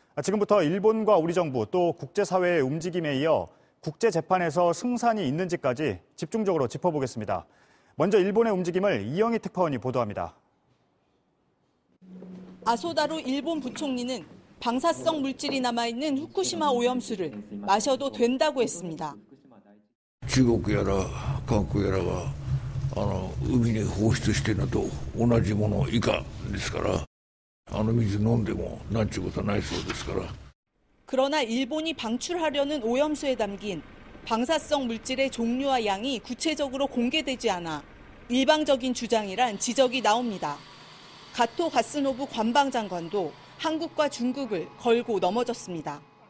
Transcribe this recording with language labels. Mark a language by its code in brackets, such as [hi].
[ko] 지금부터 일본과 우리 정부 또 국제사회의 움직임에 이어 국제재판에서 승산이 있는지까지 집중적으로 짚어보겠습니다. 먼저 일본의 움직임을 이영희 특파원이 보도합니다. 아소다루 일본 부총리는 방사성 물질이 남아있는 후쿠시마 오염수를 마셔도 된다고 했습니다. [ja] 중국이라 한국이라가 海に放出してるのと同じもの以下ですから、あの水飲んでもなんちゅうことないそうですから。 [ko] 그러나 일본이 방출하려는 오염수에 담긴 방사성 물질의 종류와 양이 구체적으로 공개되지 않아 일방적인 주장이란 지적이 나옵니다. 가토 가스노부 관방장관도 한국과 중국을 걸고 넘어졌습니다.